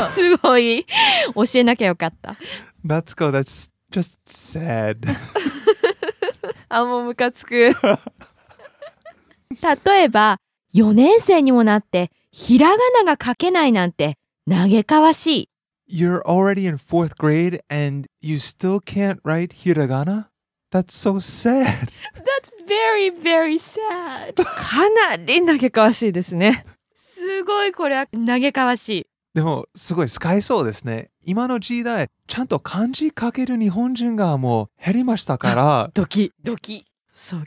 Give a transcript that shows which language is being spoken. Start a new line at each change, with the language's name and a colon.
Japanese: すごい教えなきゃよかった
English: 夏子。That's just sad。
Japanese: あ、もうムカつく。例えば 4年生にもなってひらがなが書けないなんて嘆かわしい。
English: You're already in fourth grade and you still can't write hiragana? That's so sad. That's very, very sad.
Japanese: かなり嘆かわしいですね。すごいこれは嘆かわしい。でもすごい使えそうですね。今の時代、ちゃんと漢字書ける日本人がもう減りましたから。ドキドキ。そう。